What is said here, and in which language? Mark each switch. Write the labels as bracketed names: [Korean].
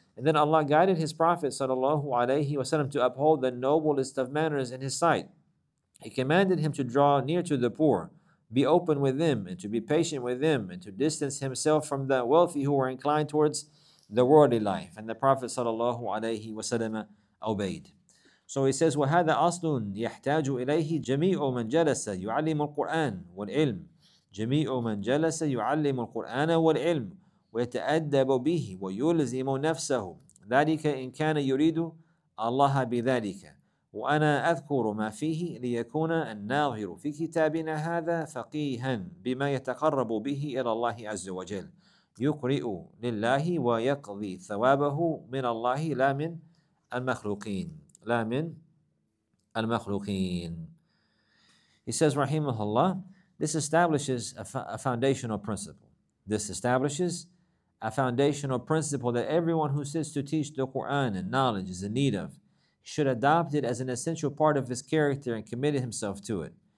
[English] And then Allah guided His Prophet sallallahu alayhi wasallam to uphold the noblest of manners in His sight. He commanded him to draw near to the poor, be open with them, and to be patient with them, and to distance himself from the wealthy who were inclined towards the worldly life. And the Prophet sallallahu alayhi wasallam obeyed. [Arabic] So he says, وَهَذَا أَصْلٌ يَحْتَاجُ إِلَيْهِ جَمِيعُ مَنْ جَلَسَ يُعَلِّمُ الْقُرْآنَ وَالْعِلْمَ جَمِيعُ مَنْ جَلَسَ يُعَلِّمُ الْقُرْآنَ وَالْعِلْمَ وَيَتَأَدَّبُ بِهِ وَيُلْزِمُ نَفْسَهُ ذَلِكَ إِنْ كَانَ يُرِيدُ اللَّهَ بِذَلِكَ وأنا أذكر ما فيه ليكون الناظر في كتابنا هذا فقيها بما يتقرب به إلى الله عز وجل يقرئ لله ويقضي ثوابه من الله لا من المخلوقين لا من المخلوقين. [English] He says, رحمه الله, this establishes a foundational principle. This establishes a foundational principle that everyone who sits to teach the Quran and knowledge is in need of should adopt it as an essential part of his character and commit himself to it.